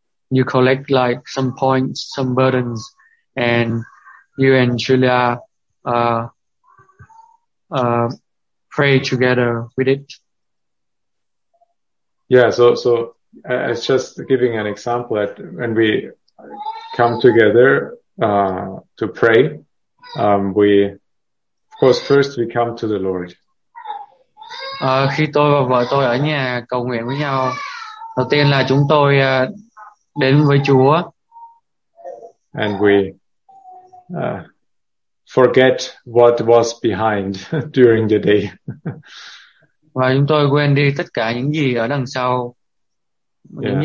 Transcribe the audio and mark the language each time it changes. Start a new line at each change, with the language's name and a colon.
English: you collect like some points, some burdens, and you and Julia pray together with it. Yeah, so I was just giving an example that when we come together to pray, we of course first we come to the Lord.
Vietnamese: Khi tôi và vợ tôi ở nhà cầu nguyện với nhau, đầu tiên là chúng tôi đến với Chúa.
English: And we forget what was behind during the day.
Vietnamese: Và chúng tôi quên đi tất cả những gì ở đằng sau, những yeah.